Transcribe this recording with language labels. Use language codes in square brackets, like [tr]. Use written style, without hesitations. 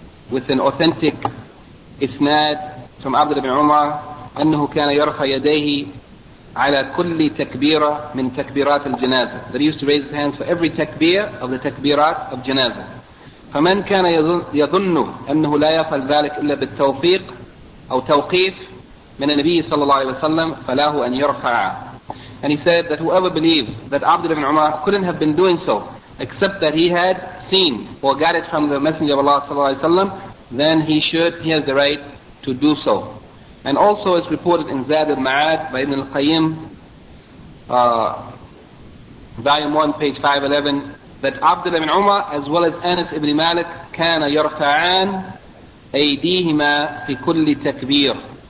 [en] with an authentic isnad from Abdullah ibn Umar [ar] أنه كان يرفع يديه على كل تكبيرة من تكبيرات الجنازة, [en] that he used to raise his hands for every takbir of the takbirat of janazah. [ar] فمن كان يظن أنه لا يفعل ذلك إلا بالتوفيق أو توقيف من النبي صلى الله عليه وسلم فلاه أن يرفع. [en] And he said that whoever believes that Abdullah ibn Umar couldn't have been doing so except that he had seen or got it from the Messenger of Allah sallallahu alayhi wa sallam, then he has the right to do so. And also it's reported in Zad al-Ma'ad by Ibn al-Qayyim, volume 1, page 511, that Abdullah ibn Umar as well as Anas ibn Malik [ar] kana yarfa'an aydihima fi kulli takbir.